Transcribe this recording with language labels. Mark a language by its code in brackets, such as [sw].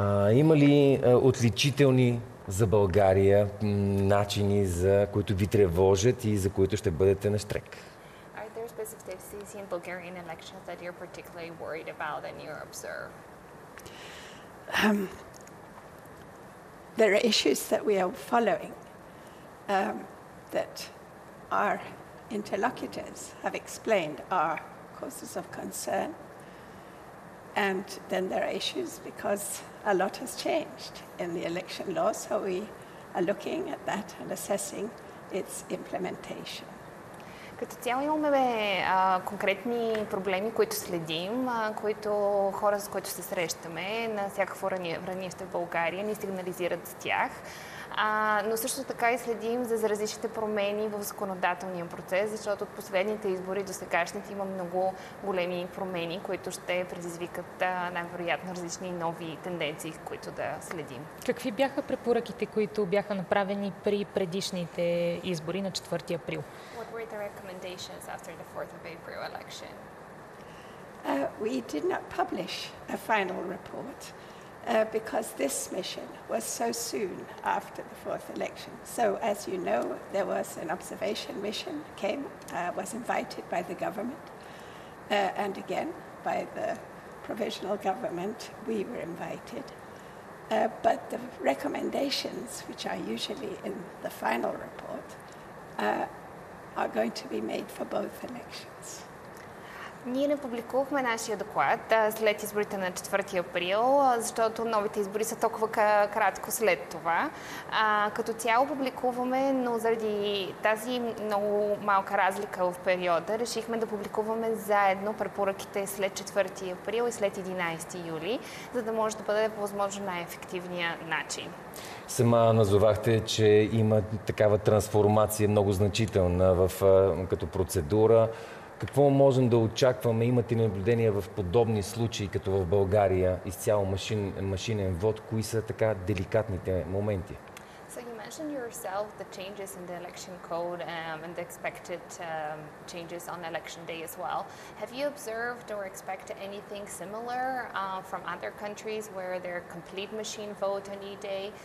[bg] Има ли отличителни за България начини, за които ви тревожат и за които ще бъдете на щрек? [en] Specifics in Bulgarian elections that you're particularly worried about and you observe? There are issues that we are following that our interlocutors have explained are causes of concern. And then there are issues because a lot has changed in the election law, so we are looking at that and assessing its implementation. [bg] Като цяло имаме конкретни проблеми, които следим, които хора, с които се срещаме на всякакво ранище в България, ни сигнализират с тях. Но също така и следим за различните промени в законодателния процес, защото от последните избори до сегашните има много големи промени, които ще предизвикат най-вероятно различни нови тенденции, които да следим. Какви бяха препоръките, които бяха направени при предишните избори на 4 април? [en] The recommendations after the 4th of April election? We did not publish a final report because this mission was so soon after the 4th election. So as you know, there was an observation mission came, was invited by the government and again by the provisional government we were invited. But the recommendations, which are usually in the final report, are going to be made for both elections. [bg] Ние не публикувахме нашия доклад след изборите на 4 април, защото новите избори са толкова кратко след това. Като цяло публикуваме, но заради тази много малка разлика в периода, решихме да публикуваме заедно препоръките след 4 април и след 11 юли, за да може да бъде по възможно най-ефективния начин. Сама назовахте, че има такава трансформация много значителна като процедура. Какво можем да очакваме? Имате ли наблюдения в подобни случаи, като в България, изцяло машинен вод? Кои са така деликатните моменти? [en] So you mentioned yourself the changes in the election code and the expected changes on election day as well. Have you observed or expect anything similar from other countries where there's complete machine vote on e-day?